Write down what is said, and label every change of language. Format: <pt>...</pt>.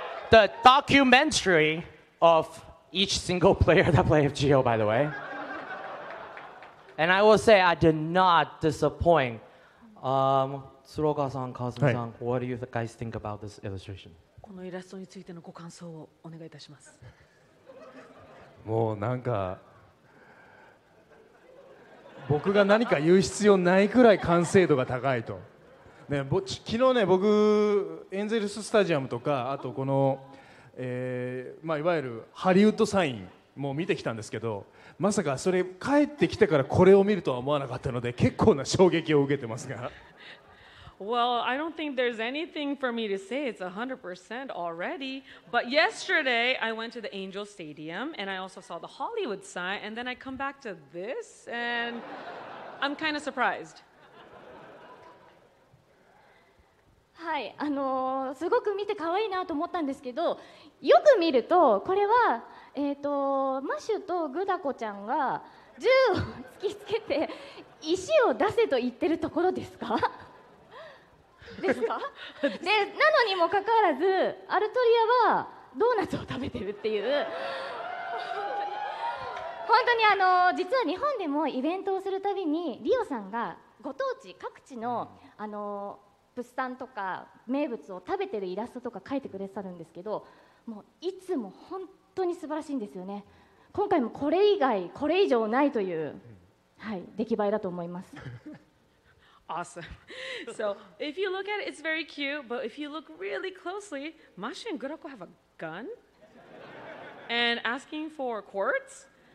<en>The documentary of each single player that play of Geo, by the way. And I will say, I did not disappoint. Tsuruoka-san, Kazumi-san, what do you guys think about this illustration?</en> <ja>このイラストについてのご感想をお願いいたします。もうなんか、僕が何か言う必要ないくらい完成度が高いと。ね、昨日ね、僕エンゼルススタジアムとかあとこの、まあ、いわゆるハリウッドサインも見てきたんですけど、まさかそれ帰ってきてからこれを見るとは思わなかったので結構な衝撃を受けてますが。</ja> <en>Well, I don't think there's anything for me to say. It's 100% already. But yesterday I went to the Angel Stadium and I also saw the Hollywood sign and then I come back to this and I'm kind of surprised</en> <ja>はい、すごく見て可愛いなと思ったんですけど、よく見るとこれは、マシュとグダコちゃんが銃を突きつけて石を出せと言ってるところですか？ですか？で、なのにもかかわらずアルトリアはドーナツを食べてるっていう。本当に実は日本でもイベントをするたびにリオさんがご当地各地の物産とか名物を食べてるイラストとか描いてくれてたんですけど、もういつも本当に素晴らしいんですよね。今回もこれ以外これ以上ないという、はい、出来栄えだと思います。</ja> <en>Awesome. So if you look at it, it's very cute. But if you look really closely, Mashi and Guroko have a gun and asking for quartz.</en>